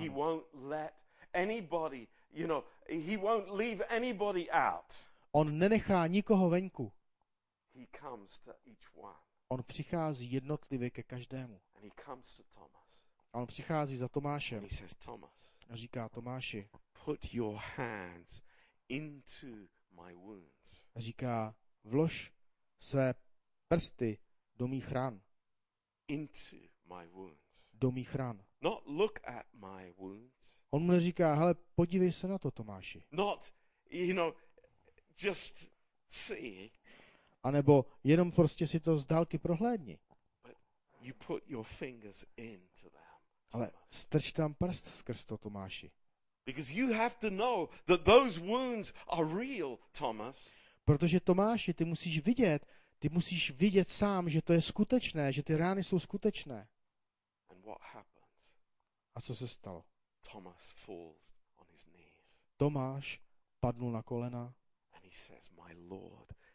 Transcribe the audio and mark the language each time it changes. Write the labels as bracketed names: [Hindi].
[English] He won't let anybody, you know, he won't leave anybody out. [Czech] On nenechá nikoho venku. [English] He comes to each one. [Czech] On přichází jednotlivě ke každému. [English] And he comes to Thomas. [Czech] A on přichází za Tomášem. [English] And he says, Thomas, [Czech] a říká Tomáši, [English] put your hands into my wounds. [Czech] A říká, vlož své prsty do mých ran. [English] Into my wounds. [Czech] Do mých ran. [English] Not look at my wounds. [Czech] On mu neříká, hele, podívej se na to, Tomáši. [English] Not, you know, just see. [Czech] A nebo jenom prostě si to z dálky prohlédni. [English] But you put your fingers into them, [Czech] ale strč tam prst skrz to, Tomáši. [English] Because you have to know that those wounds are real, Thomas. [Czech] Protože Tomáši, ty musíš vidět sám, že to je skutečné, že ty rány jsou skutečné. [English] And what happens? [Czech] A co se stalo? [English] Thomas falls on his knees. [Czech] Tomáš padnul na kolena. [English] And he says, my Lord.